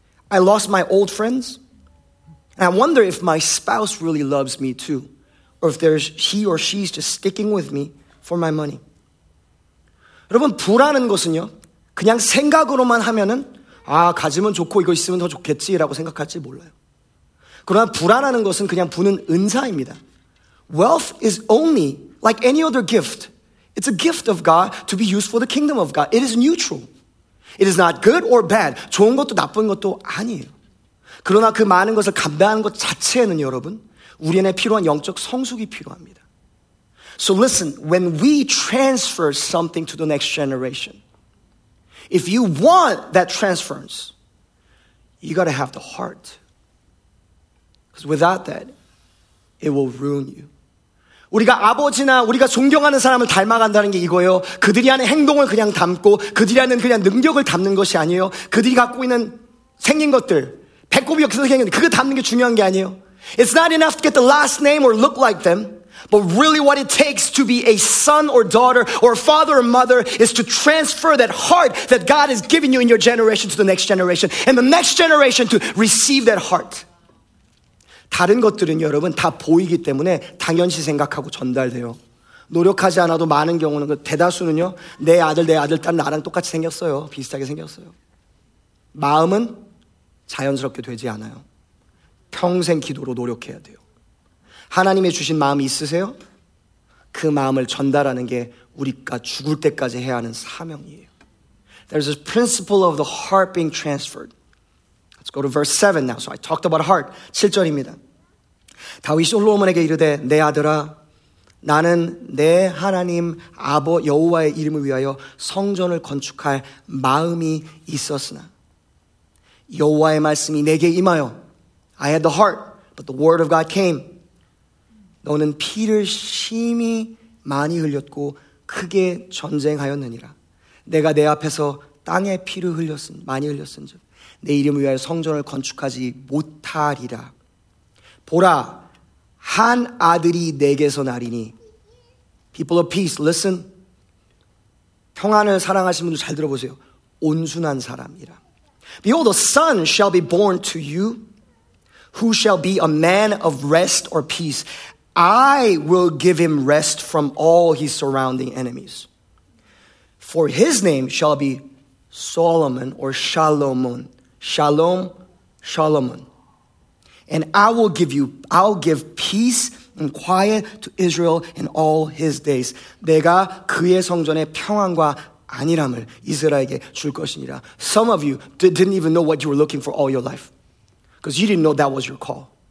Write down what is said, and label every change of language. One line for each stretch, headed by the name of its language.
English: I lost my old friends, and I wonder if my spouse really loves me too, or if she's just sticking with me for my money.
Korean: 여러분, 부라는 것은요, 그냥 생각으로만 하면은, 아, 가지면 좋고 이거 있으면 더 좋겠지라고 생각할지 몰라요. 그러나 부라는 것은 그냥 부는 은사입니다.
English: Wealth is only like any other gift. It's a gift of God to be used for the kingdom of God. It is neutral. It is not good or bad.
Korean: 좋은 것도 나쁜 것도 아니에요. 그러나 그 많은 것을 감당하는 것 자체는 여러분, 우리 안에 필요한 영적 성숙이 필요합니다.
English: So listen, when we transfer something to the next generation, if you want that transference, you got to have the heart. Because without that, it will ruin you.
Korean: 우리가 아버지나 우리가 존경하는 사람을 닮아간다는 게 이거예요. 그들이 하는 행동을 그냥 담고 그들이 하는 그냥 능력을 담는 것이 아니에요. 그들이 갖고 있는 생긴 것들, 배꼽이 없어서 생긴 것들, 그거 담는 게 중요한 게 아니에요.
English: It's not enough to get the last name or look like them, but really what it takes to be a son or daughter or father or mother is to transfer that heart that God has given you in your generation to the next generation and the next generation to receive that heart.
Korean: 다른 것들은 여러분 다 보이기 때문에 당연시 생각하고 전달돼요. 노력하지 않아도 많은 경우는 그 대다수는요. 내 아들, 딸 나랑 똑같이 생겼어요. 비슷하게 생겼어요. 마음은 자연스럽게 되지 않아요. 평생 기도로 노력해야 돼요. 하나님의 주신 마음이 있으세요? 그 마음을 전달하는 게 우리가 죽을 때까지 해야 하는 사명이에요.
English: There's a principle of the heart being transferred. Let's go to verse 7 now. So I talked about heart.
Korean: 7절입니다. 다윗이 솔로몬에게 이르되 내 아들아 나는 내 하나님 아버 여호와의 이름을 위하여 성전을 건축할 마음이 있었으나 여호와의 말씀이 내게 임하여
English: I had the heart, but the word of God came.
Korean: 너는 피를 심히 많이 흘렸고 크게 전쟁하였느니라. 내가 내 앞에서 땅에 피를 흘렸은 많이 흘렸은즉 내 이름을 위하여 성전을 건축하지 못하리라. 보라, 한 아들이 내게서 나리니.
English: People of peace, listen.
Korean: 평안을 사랑하시는 분들 잘 들어보세요. 온순한 사람이라.
English: Behold, a son shall be born to you, who shall be a man of rest or peace. I will give him rest from all his surrounding enemies. For his name shall be Solomon or Shalomon. Shalom, Shalomon. And I'll give peace and quiet to Israel in all his days.
Korean: 내가 그의 성전에 평안과 안일함을 이스라엘에게 줄 것이니라.
English: Some of you didn't even know what you were looking for all your life. Because you didn't know that was your call.